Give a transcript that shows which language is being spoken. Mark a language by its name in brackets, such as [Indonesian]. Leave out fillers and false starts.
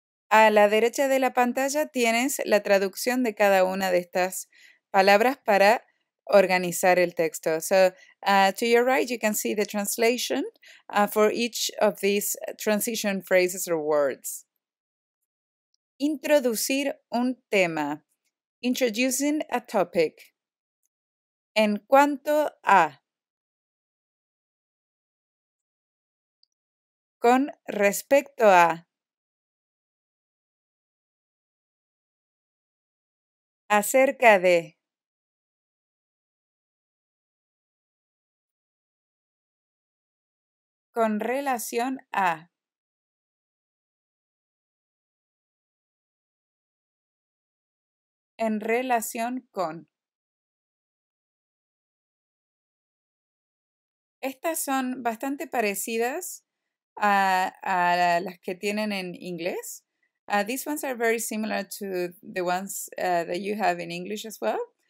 [Spanish] A la derecha de la pantalla tienes la traducción de cada una de estas palabras para organizar el texto. [English] So, to your right, you can see the translation for each of these transition phrases or words. [Spanish] Introducir un tema. [English] Introducing a topic. [Spanish] En cuanto a. Con respecto a. Acerca de. Con relación a. En relación con. Estas son bastante parecidas a las que tienen en inglés. [English] These ones are very similar to the ones that you have in English as well.